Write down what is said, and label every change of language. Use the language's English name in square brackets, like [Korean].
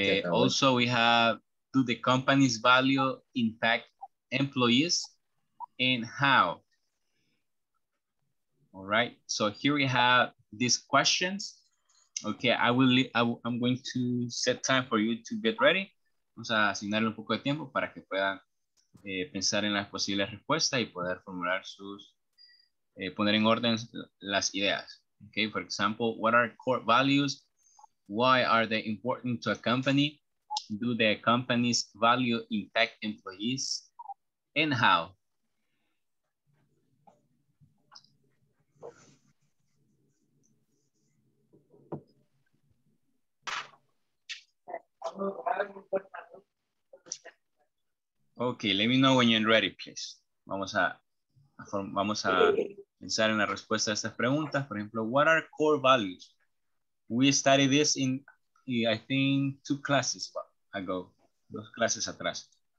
[English] Also, we have, do the company's value impact employees? And how? All right, so here we have these questions. Okay, I'm going to set time for you to get ready. [Spanish] Vamos a asignarle un poco de tiempo para que puedan pensar en las posibles respuestas y poder formular sus, poner en orden las ideas. [English] Okay, for example, what are core values? Why are they important to a company? Do the company's value impact employees? And how? Okay, let me know when you're ready, please. [Spanish] Vamos a pensar en la respuesta a estas preguntas. Por ejemplo, [English] what are core values? We studied this in, I think, two classes ago, [Spanish] dos clases atrás.